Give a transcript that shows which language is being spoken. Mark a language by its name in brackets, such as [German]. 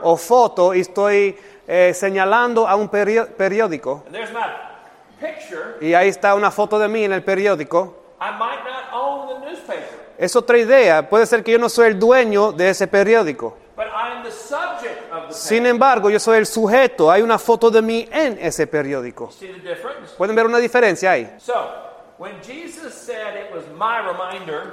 [Spanish] o foto y estoy señalando a un periódico. [English] And there's my picture, [Spanish] y ahí está una foto de mí en el periódico. [English] I might not own the newspaper. [Spanish] Es otra idea. Puede ser que yo no soy el dueño de ese periódico. [English] But I'm the subject of the paper. [Spanish] Sin embargo, yo soy el sujeto. Hay una foto de mí en ese periódico. [English] See the difference? [Spanish] ¿Pueden ver una diferencia ahí? [English] So, when Jesus said it was my reminder,